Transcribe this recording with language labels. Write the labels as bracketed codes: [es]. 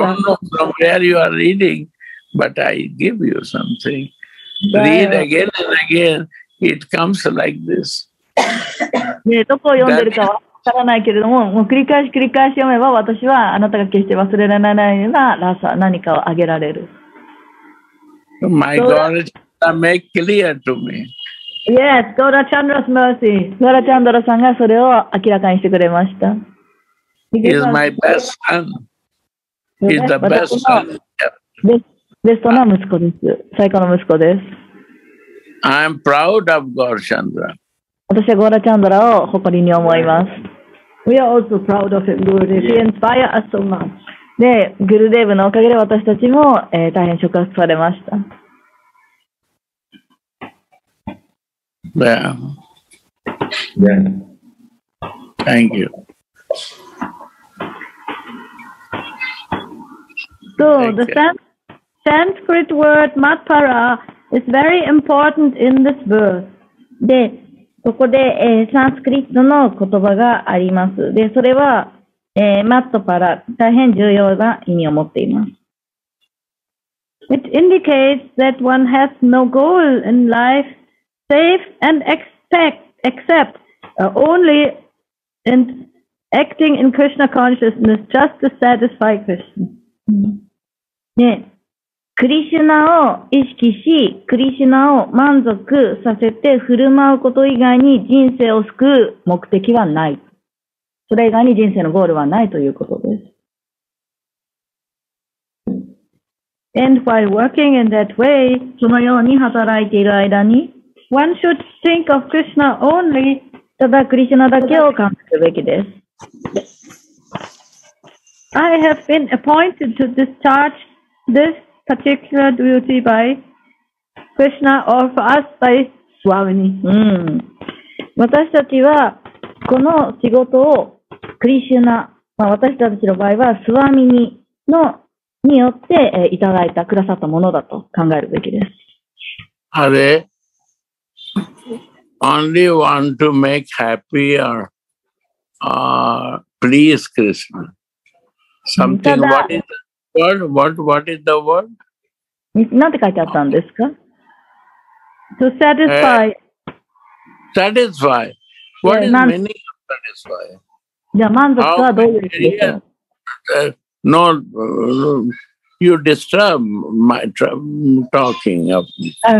[en] one. I don't know from where you are reading, but I give you something. Read again and again, it comes like this. [ja] ね、どこを読んでるかわからないけれども、もう繰り返し読めば私はあなたが決して忘れられないようなラサ、何かをあげられる。 [en] My God, make clear to me. Yes, Gaura Chandra's mercy. [ja] Gaura Chandra さんがそれを明らかにしてくれました。 [en] He's my best son. He's the best son. [ja] ベストな息子です。最高の息子です。 [en] I'm proud of Gaura Chandra. [ja] 私は Gaura Chandra を誇りに思います。 [en] We are also proud of him, Gurudev. He inspires us so much. [ja] で、グルデーブのおかげで私たちも、大変触発されました。 [en] Yeah. Thank you. So, the Sanskrit word matpara is very important in this verse. [ja] で、ここで、サンスクリットの言葉があります。で、それはマットパラ、大変重要な意味を持っています。 [en] It indicates that one has no goal in life, save and accept only in acting in Krishna consciousness just to satisfy Krishna. [ja] ね、クリシュナを意識し、クリシュナを満足させて振る舞うこと以外に人生を救う目的はない。それ以外に人生のゴールはないということです。 [en] And while working in that way, [ja] そのように働いている間に、 [en] one should think of Krishna only, [ja] ただクリシュナだけを考えるべきです。 [en] I have been appointed to discharge this particular duty by Krishna or for us by Swamini. [ja] 私たちはこの仕事をクリシュナ、まあ、私たちの場合はスワミニのによって、いただいた、くださったものだと考えるべきです。あれ [en] ?Only one to make happier, please Krishna. Something, what is the word? What is the word? [ja] 何て書いてあったんですか [en] ?To satisfy.、 Satisfy. What is the meaning of satisfy? [ja] じゃあ満足はどういう意味でしょう [en] No, you disturb my talking of me.